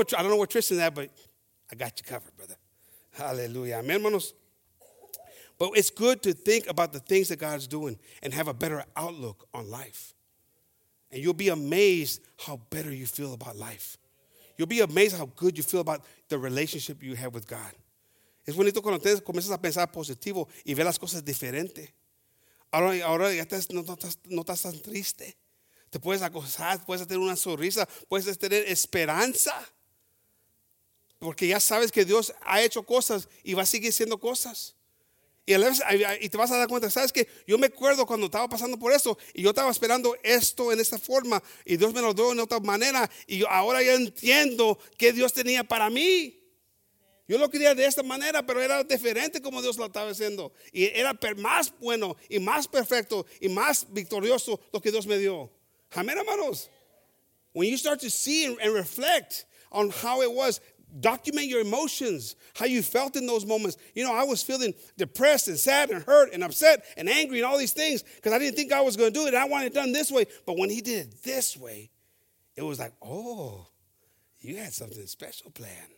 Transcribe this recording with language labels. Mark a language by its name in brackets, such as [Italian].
[English] I don't know where Tristan's at, but I got you covered, brother. Hallelujah. Amen, manos. But it's good to think about the things that God's doing and have a better outlook on life. And you'll be amazed how better you feel about life. You'll be amazed how good you feel about the relationship you have with God. [Spanish] Es bonito cuando te comienzas a pensar positivo y ver las cosas diferente. Ahora ya estás, no estás tan triste. Te puedes acostar, puedes tener una sonrisa, puedes tener esperanza. Porque ya sabes que Dios ha hecho cosas y va a seguir haciendo cosas. Y te vas a dar cuenta, sabes que yo me acuerdo cuando estaba pasando por esto y yo estaba esperando esto en esta forma y Dios me lo dio en otra manera y ahora ya entiendo que Dios tenía para mí. Yo lo quería de esta manera, pero era diferente como Dios lo estaba haciendo. Y era más bueno y más perfecto y más victorioso lo que Dios me dio. Amén, hermanos. [English] When you start to see and reflect on how it was, document your emotions, how you felt in those moments. You know, I was feeling depressed and sad and hurt and upset and angry and all these things because I didn't think God was going to do it. I wanted it done this way. But when he did it this way, it was like, oh, you had something special planned.